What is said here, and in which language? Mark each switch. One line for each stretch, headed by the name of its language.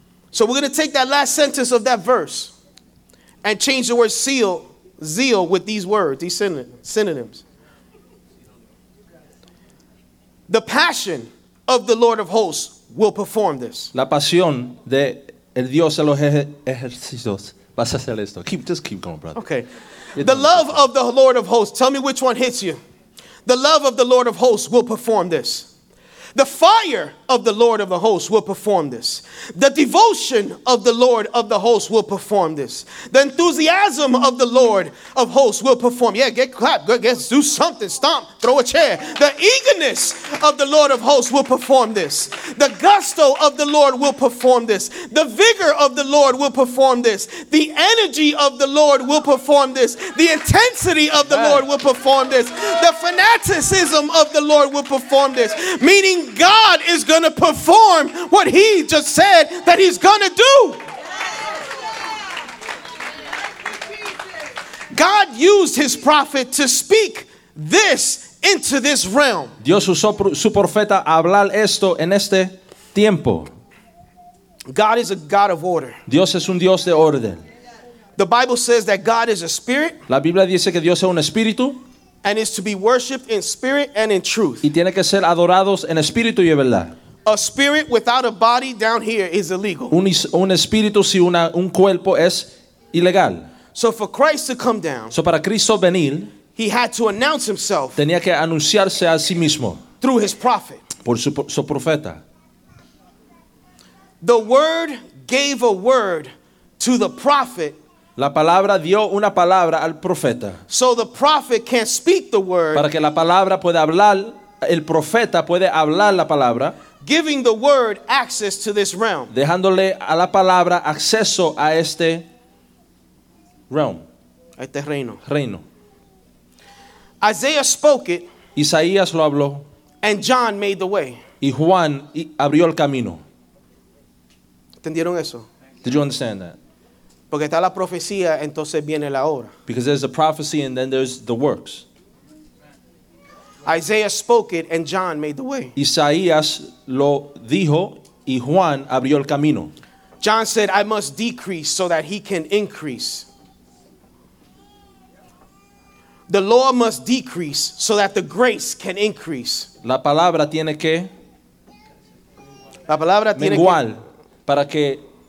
English: So we're going to take that last sentence of that verse and change the word zeal with these words, these synonyms. The passion of the Lord of hosts will perform this.
Spanish: La pasión de el Dios de los ejércitos va a hacer esto.
English: Just keep going, brother. Okay. The love of the Lord of hosts. Tell me which one hits you. The love of the Lord of hosts will perform this. The fire of the Lord of the hosts will perform this. The devotion of the Lord of the hosts will perform this. The enthusiasm of the Lord of hosts will perform. Yeah, get clapped. Go, get, do something. Stomp. Throw a chair. The eagerness of the Lord of hosts will perform this. The gusto of the Lord will perform this. The vigor of the Lord will perform this. The energy of the Lord will perform this. The intensity of the Lord will perform this. The fanaticism of the Lord will perform this. Meaning God is going to perform what he just said that he's going to do. God used his prophet to speak this into this realm.
Spanish: Dios usó su profeta a hablar esto en este tiempo.
English: God is a God of order.
Spanish: Dios es un Dios de orden.
English: The Bible says that God is a spirit.
Spanish: La Biblia dice que Dios es un espíritu.
English: And is to be worshipped in spirit and in truth.
Spanish: Y tiene que ser adorados en espíritu y en verdad.
English: A spirit without a body down here is illegal.
Spanish: Un espíritu sin un cuerpo es ilegal.
English: So for Christ to come down.
Spanish: So para Cristo venir.
English: He had to announce himself.
Spanish: Tenía que anunciarse a sí mismo.
English: Through his prophet.
Spanish: Por su profeta.
English: The word gave a word to the prophet.
Spanish: La palabra dio una palabra al profeta.
English: So the prophet can speak the word.
Spanish: Para que la palabra pueda hablar, el profeta puede hablar la palabra.
English: Giving the word access to this realm.
Spanish: Dejándole a la palabra acceso a este realm. A este reino. Reino.
English: Isaiah spoke it.
Spanish: Isaías lo habló.
English: And John made the way.
Spanish: Y Juan abrió el camino. ¿Entendieron eso?
English: Did you understand that?
Spanish: Porque está la profecía, entonces viene la obra.
English: Because there's the prophecy and then there's the works. Isaiah spoke it and John made the way.
Spanish: Isaías lo dijo y Juan abrió el camino.
English: John said, I must decrease so that he can increase. The law must decrease so that the grace can increase.
Spanish: La palabra tiene que menguar para que